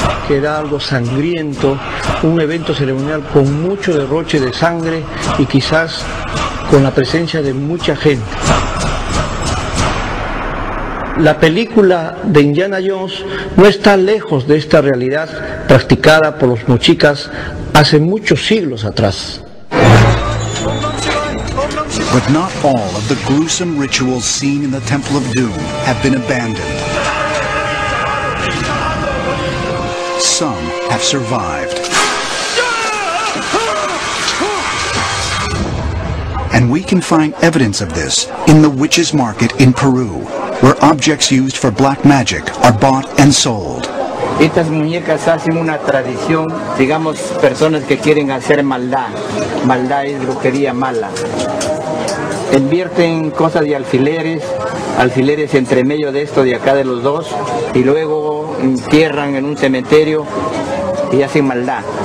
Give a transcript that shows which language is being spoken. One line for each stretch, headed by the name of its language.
Spanish: Era algo sangriento, un evento ceremonial con mucho derroche de sangre y quizás con la presencia de mucha gente. La película de Indiana Jones no está lejos de esta realidad practicada por los mochicas hace muchos siglos atrás.
English: But not all of the gruesome rituals seen in the Temple of Doom have been abandoned. Some have survived. And we can find evidence of this in the witches' market in Peru, where objects used for black magic are bought and sold.
Spanish: Estas muñecas hacen una tradición, digamos, personas que quieren hacer maldad. Maldad es brujería mala. Invierten cosas de alfileres, alfileres entre medio de esto de acá de los dos, y luego entierran en un cementerio y hacen maldad.